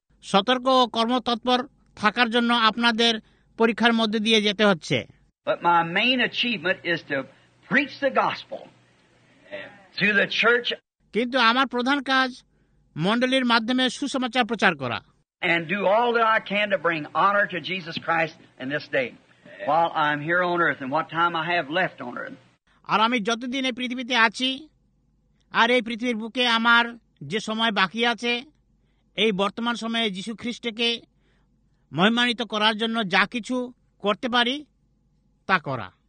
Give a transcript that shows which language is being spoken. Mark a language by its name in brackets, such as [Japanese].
[Bangla] সতর্ক ও কর্মতৎপর থাকার জন্য আপনাদের পরীক্ষার মধ্যে দিয়ে যেতে হচ্ছে। [English] But my main achievement is to preach the gospel to the church. [Bangla] কিন্তু আমার প্রধান কাজ মণ্ডলীর মাধ্যমে সুসমাচার প্রচার করা। [English] And do all that I can to bring honor to Jesus Christ in this day while I'm here on earth and what time I have left on earth. [Bangla] আর আমি যতদিন এই পৃথিবীতে আছি আর এই পৃথিবীর বুকে আমার যে সময় বাকি আছে, এই বর্তমান সময়ে যীশু খ্রিস্টকে মহিমান্বিত করার জন্য যা কিছু করতে পারি তা করা।